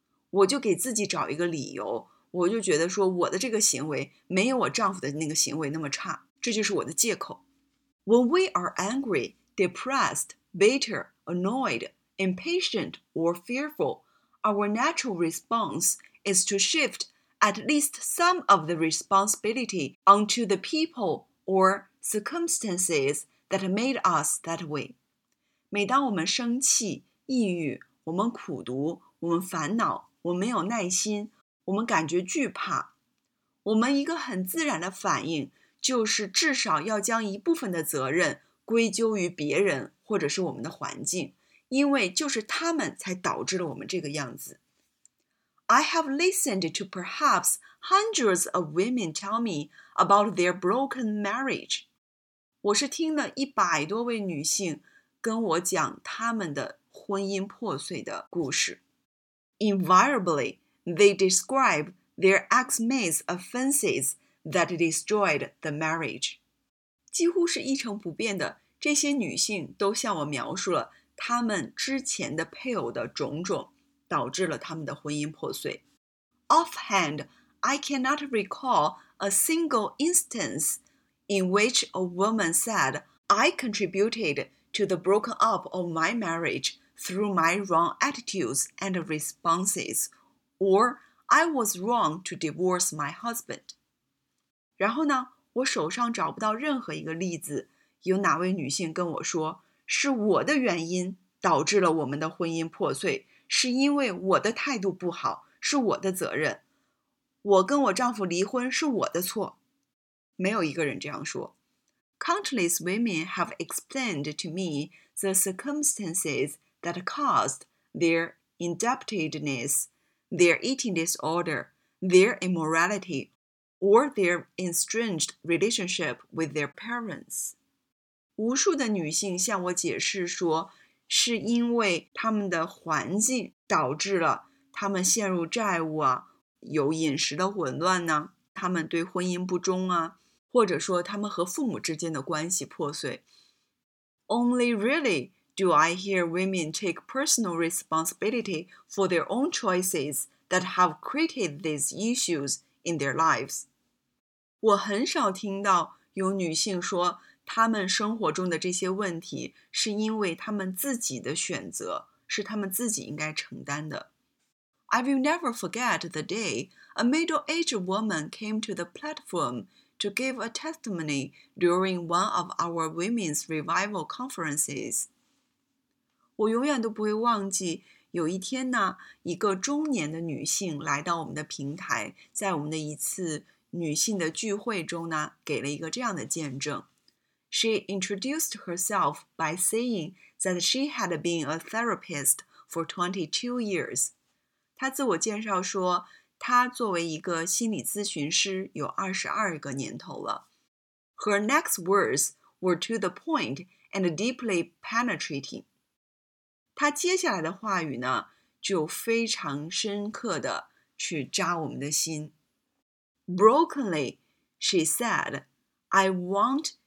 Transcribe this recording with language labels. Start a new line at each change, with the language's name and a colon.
Chinese: 我就给自己找一个理由，我就觉得说我的这个行为没有我丈夫的那个行为那么差，这就是我的借口。
English: When we are angry, depressed, bitter, annoyed, impatient, or fearful, our natural response is to shift at least some of the responsibility onto the people orcircumstances that made us that way.
Chinese: 每当我们生气、抑郁，我们苦读，我们烦恼，我们没有耐心，我们感觉惧怕，我们一个很自然的反应就是至少要将一部分的责任归咎于别人或者是我们的环境，因为就是他们才导致了我们这个样子。
English: I have listened to perhaps hundreds of women tell meabout their broken marriage.
Chinese: 我是听了一百多位女性跟我讲她们的婚姻破碎的故事。
English: Invariably, they describe their ex-mate's offenses that destroyed the marriage.
Chinese: 几乎是一成不变的，这些女性都向我描述了她们之前的配偶的种种导致了她们的婚姻破碎。
English: Offhand, I cannot recallA single instance in which a woman said, I contributed to the broken up of my marriage through my wrong attitudes and responses, or I was wrong to divorce my husband.
Chinese: 然后呢，我手上找不到任何一个例子，有哪位女性跟我说，是我的原因导致了我们的婚姻破碎，是因为我的态度不好，是我的责任。我跟我丈夫离婚是我的错，没有一个人这样说。
English: Countless women have explained to me the circumstances that caused their indebtedness, their eating disorder, their immorality, or their estranged relationship with their parents.
Chinese: 无数的女性向我解释说，是因为她们的环境导致了她们陷入债务啊，有饮食的混乱呢，他们对婚姻不忠啊，或者说他们和父母之间的关系破碎。
English: Only really do I hear women take personal responsibility for their own choices that have created these issues in their lives.
Chinese: 我很少听到有女性说他们生活中的这些问题是因为他们自己的选择，是他们自己应该承担的。
English: I will never forget the day a middle-aged woman came to the platform to give a testimony during one of our women's revival conferences.
Chinese: 我永远都不会忘记，有一天呢，一个中年的女性来到我们的平台，在我们的一次女性的聚会中呢，给了一个这样的见证。
English: She introduced herself by saying that she had been a therapist for 22 years.
Chinese: 他自我介绍说，他作为一个心理咨询师有22个年头了。
English: Her next words were to the point and deeply penetrating.
Chinese: 他接下来的话语呢，就非常深刻的去扎我们的心。
English: Brokenly, she said, I want